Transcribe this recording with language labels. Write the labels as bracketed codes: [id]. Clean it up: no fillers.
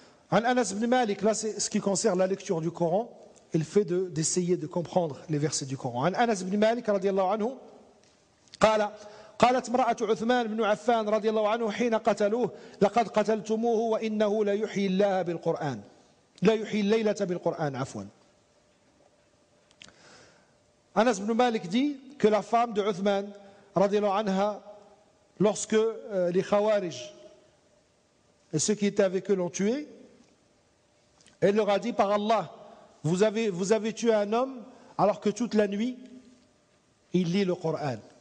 [fr] An Anas ibn Malik, là c'est ce qui concerne la lecture du Coran et le fait d'essayer de comprendre les versets du Coran. [ar] An Anas ibn Malik radiallahu anhu, قال قالت امرأة عثمان بن عفان رضي الله عنه حين قتلوه لقد قتلتموه وإنه لا يحيي الله بالقرآن لا يحيي الليلة بالقرآن عفوا. [fr] Anas ibn Malik dit que la femme de Uthman رضي الله عنها, lorsque les Khawarij et ceux qui étaient avec eux l'ont tué, elle leur a dit: par Allah, vous avez tué un homme alors que toute la nuit il lit le Coran.